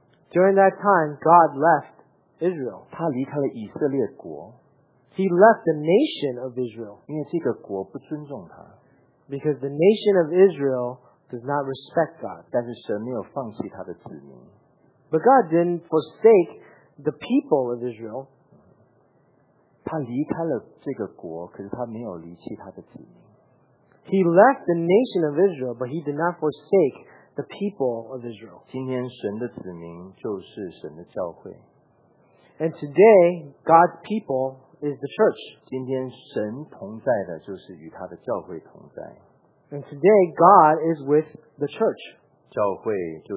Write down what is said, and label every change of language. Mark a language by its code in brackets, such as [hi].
[en] During that time, God left Israel. [zh] 他离开了以色列国。 [en] He left the nation of Israel. [zh] 因为这个国不尊重他。 [en] Because the nation of Israel does not respect God. [zh] 但是神没有放弃他的子民。 [en] But God didn't forsake the people of Israel. [zh] 他离开了这个国，可是他没有离弃他的子民。 [en] He left the nation of Israel, but he did not forsake the people of Israel. [zh] 今天神的子民就是神的教会。 [en] And today, God's people is the church. [zh] 今天神同在的就是与他的教会同在。 [en] And today, God is with the church.